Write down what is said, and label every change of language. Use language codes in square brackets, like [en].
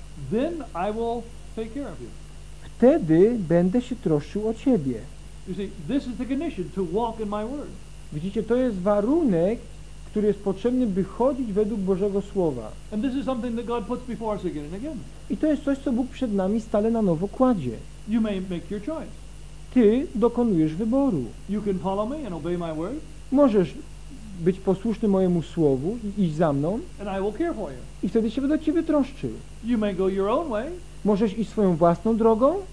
[en] Then I will take care of you. [pl] Wtedy będę się troszczył o ciebie. [en] You see, this is the condition to walk in my word. [pl] Widzicie, to jest warunek, który jest potrzebny, by chodzić według Bożego Słowa. [en] And this is something that God puts before us again and again. [pl] I to jest coś, co Bóg przed nami stale na nowo kładzie. [en] You may make your choice. [pl] Ty dokonujesz wyboru. [en] You can follow me and obey my word. [pl] Możesz być posłuszny mojemu słowu i iść za mną. [en] And I will care for you. [pl] I wtedy się będę o ciebie troszczył. [en] You may go your own way. [pl] Możesz iść swoją własną drogą.